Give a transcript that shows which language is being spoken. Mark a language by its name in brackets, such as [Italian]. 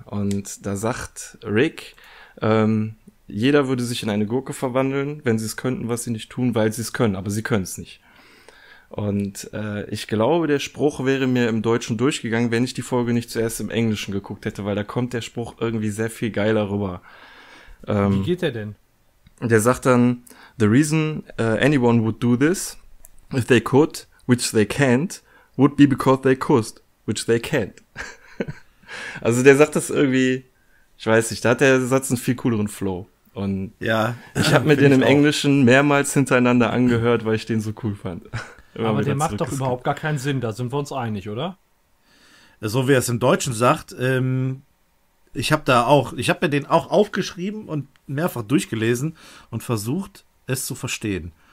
[German] Und da sagt Rick, jeder würde sich in eine Gurke verwandeln, wenn sie es könnten, was sie nicht tun, weil sie es können, aber sie können es nicht. Und ich glaube, der Spruch wäre mir im Deutschen durchgegangen, wenn ich die Folge nicht zuerst im Englischen geguckt hätte, weil da kommt der Spruch irgendwie sehr viel geiler rüber. Wie geht der denn? Der sagt dann, [English] the reason anyone would do this, if they could, which they can't, would be because they could, which they can't. [German] Also der sagt das irgendwie, ich weiß nicht, da hat der Satz einen viel cooleren Flow. Und ja, ich habe mir den im Englischen mehrmals hintereinander angehört, weil ich den so cool fand. Immer aber der macht doch überhaupt gar keinen Sinn, da sind wir uns einig, oder? So wie er es im Deutschen sagt, ich habe mir den auch aufgeschrieben und mehrfach durchgelesen und versucht, es zu verstehen.